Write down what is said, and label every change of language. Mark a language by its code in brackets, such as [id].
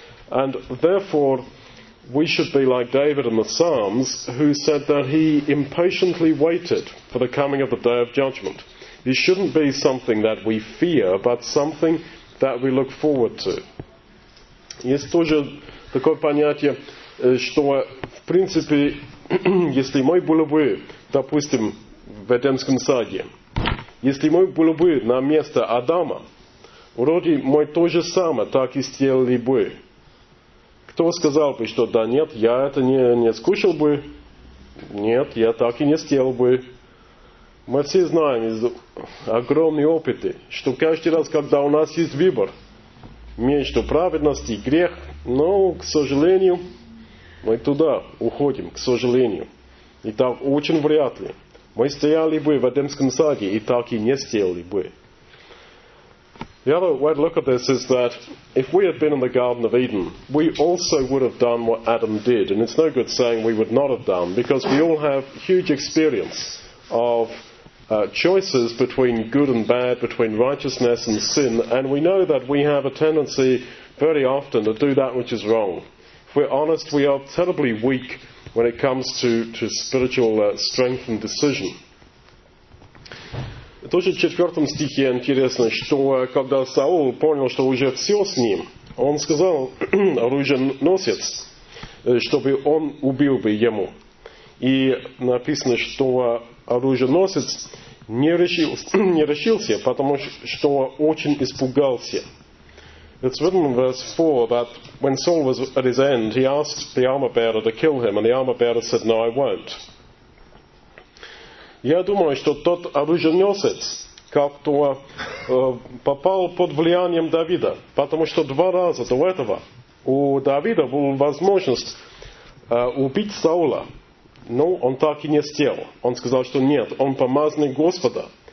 [en] And therefore, we should be like David in the Psalms, who said that he impatiently waited for the coming of the day of judgment. It shouldn't be something that we fear, but something that we look forward to. [ru] Есть тоже такое понятие, что, в принципе, если мы были бы, допустим, в Эдемском саде, если мы были бы на место Адама, вроде мы то же самое так и сделали бы. Кто сказал бы, что да нет, я это не скушал бы? Нет, я так и не сделал бы. Мы все знаем из огромных опытов, что каждый раз, когда у нас есть выбор между праведностью и грех, но, к сожалению, мы туда уходим, к сожалению. И так очень вряд ли. Мы стояли бы в Эдемском саде и так и не сделали бы. [en] The other way to look at this is that if we had been in the Garden of Eden, we also would have done what Adam did. And it's no good saying we would not have done, because we all have huge experience of choices between good and bad, between righteousness and sin, and we know that we have a tendency very often to do that which is wrong. If we're honest, we are terribly weak when it comes to spiritual strength and decision. [ru] Тоже в 4 стихе интересно, что когда Саул понял, что уже все с ним, он сказал оруженосец, чтобы он убил бы ему. И написано, что оруженосец не решился, потому что очень испугался. [en] It's written in verse 4 that when Saul was at his end, he asked the armor bearer to kill him, and the armor bearer said, "No, I won't." [ru] Я думаю, что тот оруженосец как-то попал под влиянием Давида, потому что два раза до этого у Давида была возможность убить Саула. Но он так и не сделал. Он сказал, что нет, он помазанный Господа.